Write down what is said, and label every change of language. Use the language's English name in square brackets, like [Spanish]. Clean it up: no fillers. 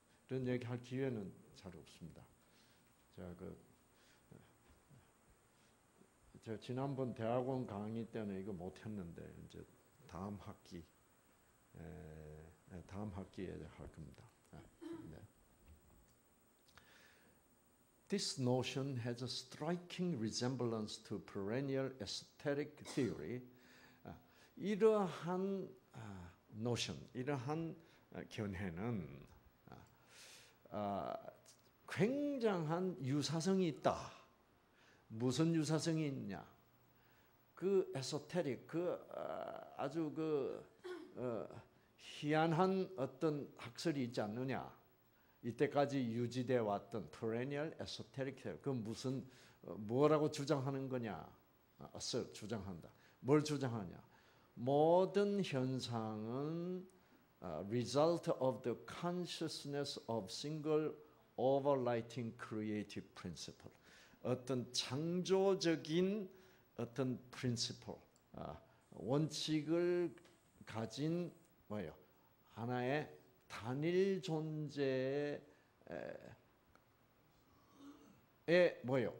[Korean] 이런 얘기 할 기회는 잘 없습니다. 제가 그 제가 지난번 대학원 강의 때는 이거 못했는데 이제 다음 학기 다음 학기에 할 겁니다. 네. [English] This notion has a striking resemblance to perennial aesthetic theory. [Korean] 이러한 notion, 이러한 견해는 굉장한 유사성이 있다. 무슨 유사성이 있냐? 그 에소테릭, 그 아주 그 희한한 어떤 학설이 있지 않느냐? 이때까지 유지되어 왔던 perennial esoteric 그 무슨 뭐라고 주장하는 거냐? 주장한다. 뭘 주장하냐? 모든 현상은 [English] result of the consciousness of single overlighting creative principle. [Korean] 어떤 창조적인 어떤 principle, 원칙을 가진 뭐예요? 하나의 단일 존재의 뭐예요?